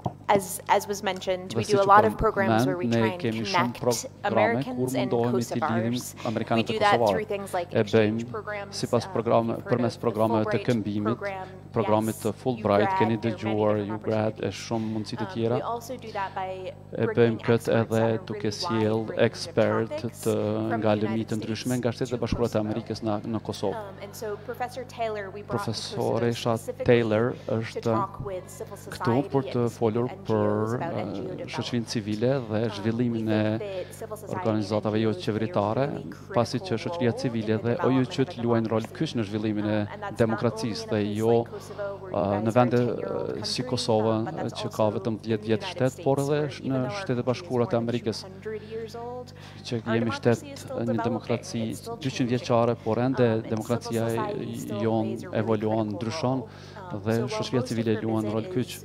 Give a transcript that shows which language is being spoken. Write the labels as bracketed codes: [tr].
[en] as was mentioned, we do a lot of programs where we try and connect Americans and Kosovars. We do that through things like exchange programs, [sq] sipas programe, përmes programeve të këmbimit, programit të Fulbright, keni dëgjuar, UGrad, e shumë mundësi të tjera. [en] We also do that by bringing experts really expert të [sq] nga lëmi të ndryshme nga shtetet e bashkuara të Amerikës në Kosovë. [en] And so Professor Taylor, we brought to Kosovo specifically [sq] është këtu për të folur për shoqërinë civile dhe zhvillimin e organizatave jo qeveritare, pasi që shoqëria civile dhe OJQ-t luajnë rol kyç në zhvillimin e demokracisë dhe jo në vende si Kosova që ka vetëm 10 vjet shtet, por edhe në Shtetet e Bashkuara të Amerikës që jemi shtet një demokraci 200 vjeçare, por ende demokracia jonë evoluon, ndryshon dhe shoqëria civile luan rol kyç.